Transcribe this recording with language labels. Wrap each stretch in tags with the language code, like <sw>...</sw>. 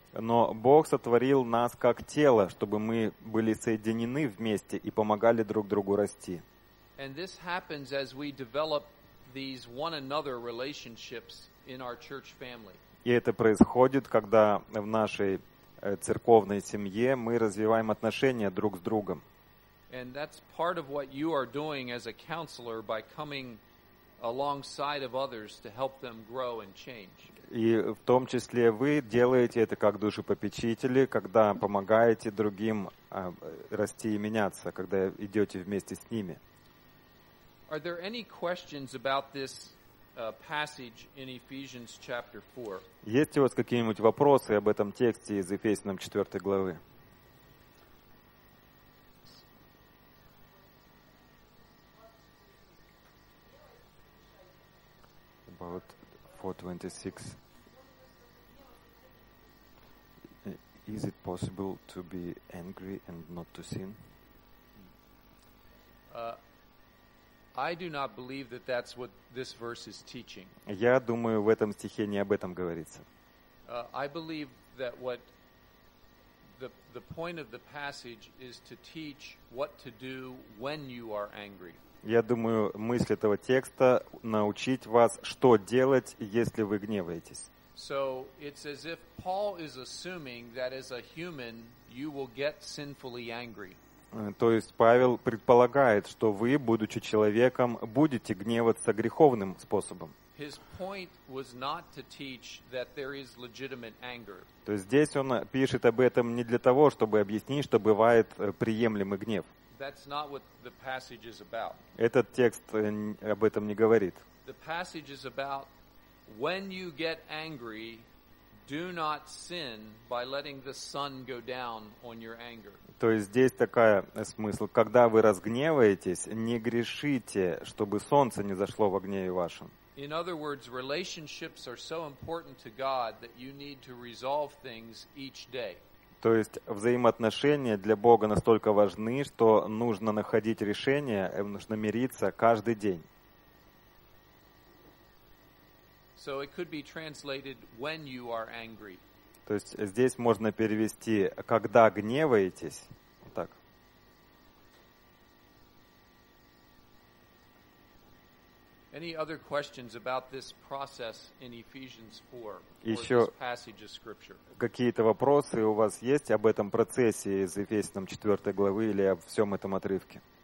<ru>Но Бог сотворил нас как тело, чтобы мы были соединены вместе и помогали друг другу расти.</ru> <en>And this happens as we develop these one another relationships in our church family.</en> <ru>И это происходит, когда в нашей церковной семье мы развиваем отношения друг с другом.</ru> <en>And that's part of what you are doing as a counselor by coming alongside of others to help them grow and change.</en> <ru>И в том числе вы делаете это как душепопечители, когда помогаете другим расти и меняться, когда идете вместе с ними.</ru> <en>Are there any questions about this passage in Ephesians chapter 4?</en> <ru>Есть ли у вас какие-нибудь вопросы об этом тексте из Ефесянам 4 главы?</ru> <en>About 4:26. Is it possible to be angry and not to sin? I do not believe that that's what this verse is teaching.</en> <ru>Я думаю, в этом стихе не об этом говорится.</ru> <en>I believe that what the point of the passage is to teach what to do when you are angry.</en> <ru>Я думаю, мысль этого текста — научить вас, что делать, если вы гневаетесь.</ru> <en>So it's as if Paul is assuming that as a human you will get sinfully angry.</en> <ru>То есть Павел предполагает, что вы, будучи человеком, будете гневаться греховным способом.</ru> <en>His point was not to teach that there is legitimate anger.</en> <ru>То есть здесь он пишет об этом не для того, чтобы объяснить, что бывает приемлемый гнев.</ru> <en>That's not what the passage is about.</en> <ru>Этот текст об этом не говорит.</ru> <en>The passage is about when you get angry, do not sin by letting the sun go down on your anger.</en> <ru>То есть здесь такая смысл: когда вы разгневаетесь, не грешите, чтобы солнце не зашло в гневе вашем.</ru> <en>In other words, relationships are so important to God that you need to resolve things each day.</en> <ru>То есть взаимоотношения для Бога настолько важны, что нужно находить решение, нужно мириться каждый день.</ru> <en>So it could be translated when you are angry.</en> <ru>То есть здесь можно перевести «когда гневаетесь». Вот так.</ru> <en>Any other questions about this process in Ephesians 4 or this passage of scripture?</en> <ru>Какие-то вопросы у вас есть об этом процессе из Ефесянам 4 главы или об всем этом отрывке?</ru>